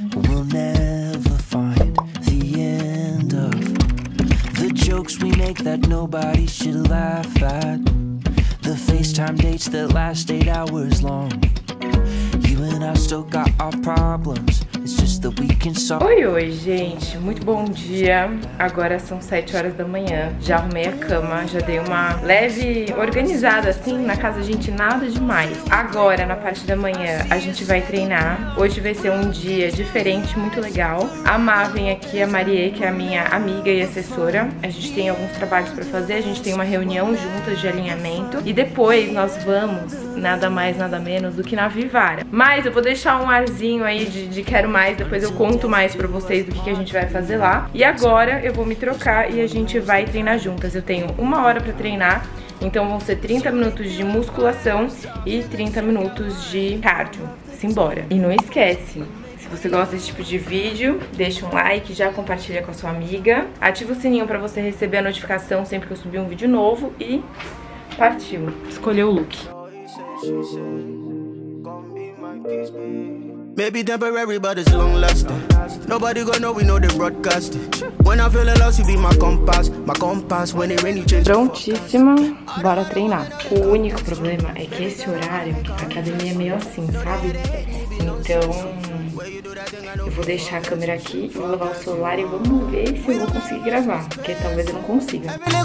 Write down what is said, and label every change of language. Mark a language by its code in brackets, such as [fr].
[en] We'll never find the end of the jokes we make that nobody should laugh at. The FaceTime dates that last 8 hours long. You and I still got our problems. [pt] Oi, oi, gente, muito bom dia. Agora são 7 horas da manhã. Já arrumei a cama, já dei uma leve organizada assim. Na casa, gente, nada demais. Agora, na parte da manhã, a gente vai treinar. Hoje vai ser um dia diferente, muito legal. A Má vem aqui, a Marie, que é a minha amiga e assessora. A gente tem alguns trabalhos pra fazer. A gente tem uma reunião juntas de alinhamento. E depois nós vamos, nada mais, nada menos do que na Vivara. Mas eu vou deixar um arzinho aí de quero mais, depois eu conto mais pra vocês do que a gente vai fazer lá. E agora eu vou me trocar e a gente vai treinar juntas. Eu tenho 1 hora pra treinar, então vão ser 30 minutos de musculação e 30 minutos de cardio. Simbora! E não esquece, se você gosta desse tipo de vídeo, deixa um like, já compartilha com a sua amiga, ativa o sininho pra você receber a notificação sempre que eu subir um vídeo novo e partiu! Escolheu o look. [en] Maybe temporary, but it's long lasting. Nobody gonna know, we know they broadcast it. When I feel a loss, you be my compass, when it rain, you change. [pt] Prontíssima, bora treinar. O único problema é que esse horário, a academia é meio assim, sabe? Então, eu vou deixar a câmera aqui, vou levar o celular e vamos ver se eu vou conseguir gravar. Porque talvez eu não consiga.